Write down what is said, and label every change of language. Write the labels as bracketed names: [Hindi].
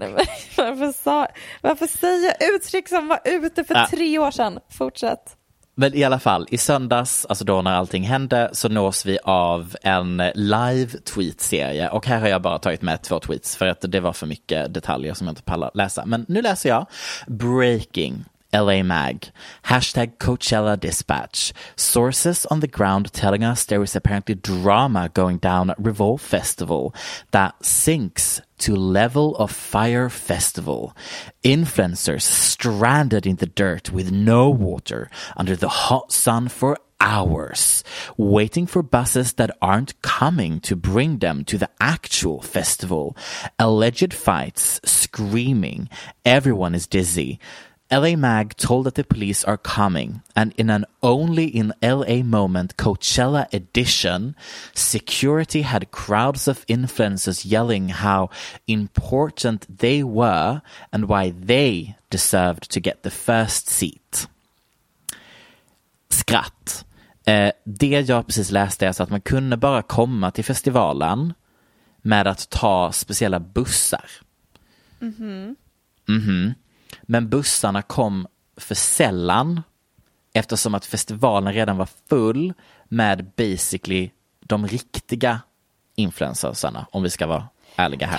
[Swedish] Nej, men, varför säger jag uttryck som var ute för 3 år sedan? Fortsätt. Men i alla fall, i söndags, alltså då när allting hände, så nås vi av en live-tweet-serie. Och här har jag bara tagit med 2 tweets, för att det var för mycket detaljer som jag inte pallar läsa. Men nu läser jag. Breaking. LA Mag. [English] Hashtag Coachella Dispatch. Sources on the ground telling us there is apparently drama going down at Revolve Festival that sinks to level of fire festival. Influencers stranded in the dirt with no water under the hot sun for hours, waiting for buses that aren't coming to bring them to the actual festival. Alleged fights, screaming, everyone is dizzy. LA Mag told that the police are coming, and in an only in LA moment Coachella edition, security had crowds of influencers yelling how important they were and why they deserved to get the first seat. [Swedish] Skratt. Det jag precis läste är så att man kunde bara komma till festivalen med att ta speciella bussar. Men bussarna kom för sällan eftersom att festivalen redan var full med basically de riktiga influencersarna, om vi ska vara ärliga här.